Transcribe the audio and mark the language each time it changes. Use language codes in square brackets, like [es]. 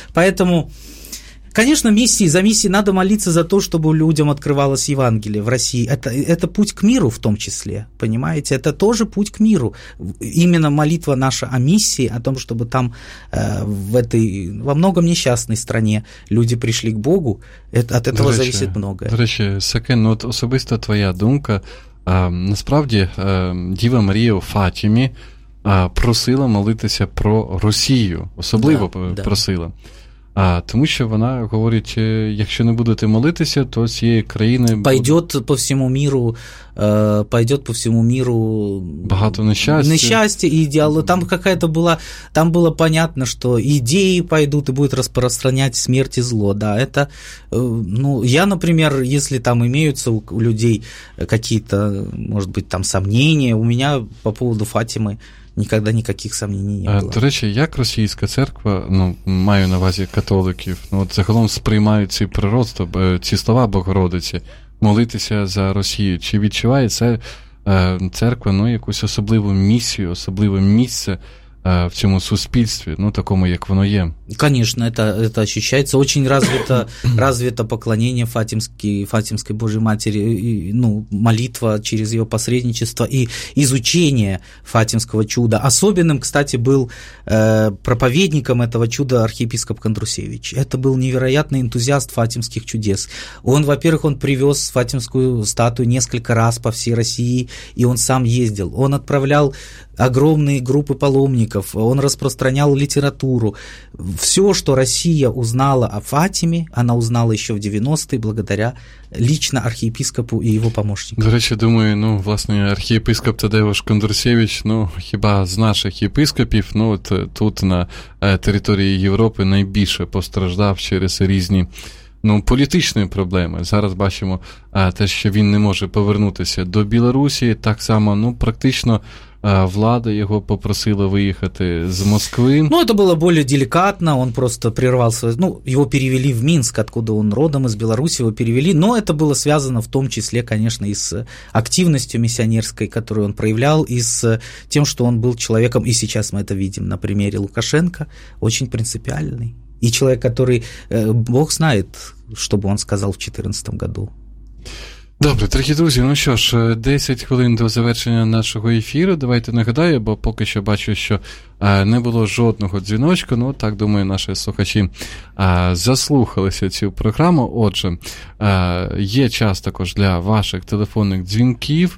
[ru] Поэтому, конечно, миссии, за миссии надо молиться за то, чтобы людям открывалось Евангелие в России. Это путь к миру в том числе, понимаете? Это тоже путь к миру. Именно молитва наша о миссии, о том, чтобы там в этой во многом несчастной стране люди пришли к Богу, от этого [uk] речі, [ru] зависит многое. [uk] До речі, Сакен, ну от особисто твоя думка, насправді Діва Марія у Фатімі просила молитися про Росію, особливо да, просила. А тому що вона говорить, якщо не будете молитися, то цієї країни [ru] пойдет по всьому миру, пойдет по всему миру [uk] багато нещастя. Нещастя і ідеалу. Там какая-то була, там було понятно, що ідеї пойдуть і будуть розпространяти смерть і зло. [ru] Да, это, ну, я, например, если там имеются у людей какие-то, может быть, там сомнения, у меня по поводу Фатимы никогда никаких сомнений не было. [uk] До речі, як російська церква, ну, маю на увазі католиків, ну, от загалом сприймають ці пророцтва, ці слова Богородиці, молитися за Росію, чи відчуває це церква, ну, якусь особливу місію, особливе місце в цьому суспільстві, ну, такому, як воно є. [ru] Конечно, это ощущается. Очень развито поклонение Фатимской Божьей Матери, ну, молитва через ее посредничество и изучение Фатимского чуда. Особенным, кстати, был проповедником этого чуда архиепископ Кондрусевич. Это был невероятный энтузиаст фатимских чудес. Он, во-первых, он привез фатимскую статую несколько раз по всей России, и он сам ездил. Он отправлял огромные группы паломников, он распространял литературу. Все, что Россия узнала о Фатиме, она узнала еще в 90-е благодаря лично архиепископу и его помощнику. [uk] До речі, думаю, ну, власне, архиепископ Тадеуш Кондрусевич, ну, хіба з наших єпископів, ну, от тут на території Європи найбільше постраждав через різні, ну, політичні проблеми. Зараз бачимо те, що він не може повернутися до Білорусі, так само, ну, практично влада [ru] его попросила выехать из Москвы. Ну, это было более деликатно, он просто прервал свое... Ну, его перевели в Минск, откуда он родом, из Беларуси его перевели, но это было связано в том числе, конечно, и с активностью миссионерской, которую он проявлял, и с тем, что он был человеком, и сейчас мы это видим на примере Лукашенко, очень принципиальный. И человек, который... Бог знает, что бы он сказал в 2014 году. [uk] Добре, дорогі друзі, ну що ж, 10 хвилин до завершення нашого ефіру. Давайте нагадаю, бо поки що бачу, що не було жодного дзвіночка. Ну, так, думаю, наші слухачі заслухалися цю програму. Отже, є час також для ваших телефонних дзвінків.